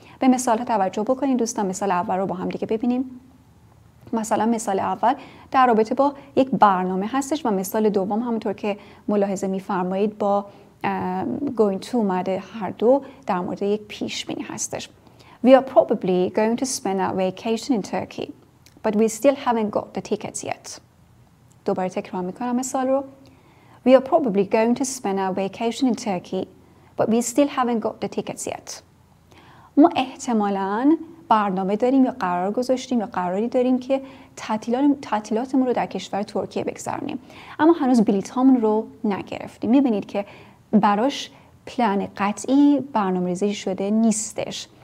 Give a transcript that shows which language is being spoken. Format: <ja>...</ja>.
<fa>به مثال توجه بکنید دوستان. مثال اول رو با هم دیگه ببینیم. مثلا مثال اول در رابطه با یک برنامه هستش و مثال دوم همونطور که ملاحظه میفرمایید با</fa> <en>going to</en> <fa>اومده، هر دو در مورد یک پیشبینی هستش.</fa> <en>We are probably going to spend our vacation in Turkey, but we still haven't got the tickets yet.</en> <fa>دوباره تکرار میکنم مثال رو.</fa> <en>We are probably going to spend our vacation in Turkey, but we still haven't got the tickets yet.</en> <fa>ما احتمالاً برنامه داریم یا قرار گذاشتیم یا قراری داریم که تعطیلاتمون رو در کشور ترکیه بگذرونیم، اما هنوز بلیطامون رو نگرفتیم. میبینید که براش پلان قطعی برنامه‌ریزی شده نیستش.</fa>